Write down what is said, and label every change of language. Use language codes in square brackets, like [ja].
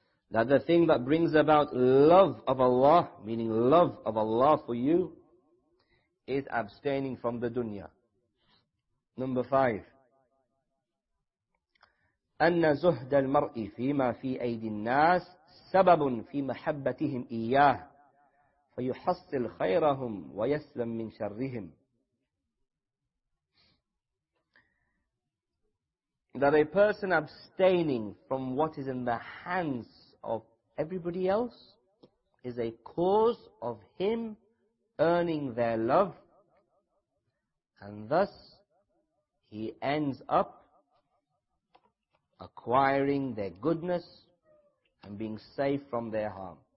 [en] That the thing that brings about love of Allah, meaning love of Allah for you, is abstaining from the dunya. Number 5, [ar] أن زهد المرء فيما في أيدي الناس سبب في محبتهم إياه فيحصل خيرهم ويسلم من شرهم. [en] That a person abstaining from what is in the hands of everybody else is a cause of him earning their love, and thus he ends up acquiring their goodness and being safe from their harm.